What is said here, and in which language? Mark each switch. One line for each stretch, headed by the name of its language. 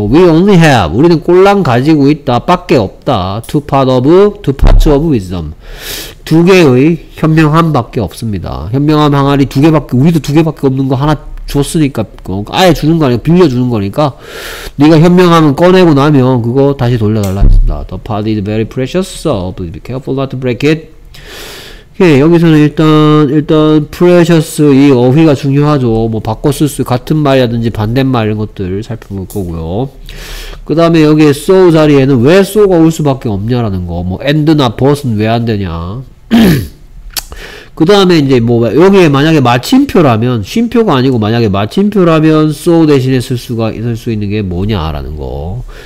English: We only have
Korean: 우리는 꼴랑 가지고 있다 밖에 없다
English: two parts of wisdom
Korean: 두 개의 현명함 밖에 없습니다. 현명함 항아리 두 개밖에 우리도 두 개밖에 없는 거 하나 줬으니까 아예 주는 거 아니고 빌려주는 거니까 네가 현명함은 꺼내고 나면 그거 다시 돌려달라 했습니다.
English: The part is very precious so please be careful not to break it.
Korean: 예, 여기서는 일단 precious 이 어휘가 중요하죠. 뭐 바꿔 쓸 수 같은 말이라든지 반대말 이런 것들 살펴볼 거고요. 그 다음에 여기에 so 자리에는 왜 so가 올 수밖에 없냐라는 거, 뭐 and나 but은 왜 안 되냐. 그 다음에 이제 뭐 여기에 만약에 마침표라면 쉼표가 아니고 만약에 마침표라면 so 대신에 쓸 수 있는 게 뭐냐라는 거.